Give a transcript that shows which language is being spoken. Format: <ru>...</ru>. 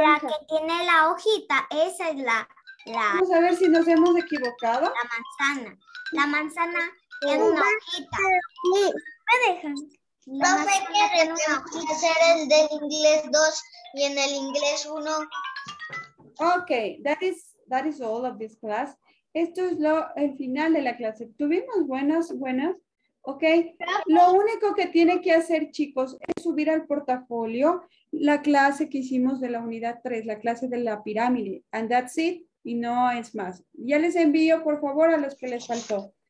<es>La que tiene la hojita, esa es la. Vamos a ver si nos hemos equivocado. La manzana. La manzana tiene una hojita. Sí. Me dejan. No sé qué hacer el del inglés 2 y en el inglés 1.</es> <en>Okay, that is all of this class.</en> <es>Esto es el final de la clase. Tuvimos buenas. Ok, lo único que tiene que hacer, chicos, es subir al portafolio la clase que hicimos de la unidad 3, la clase de la pirámide.</es> <en>And that's it,</en> <es>y no es más. Ya les envío, por favor, a los que les faltó.</es>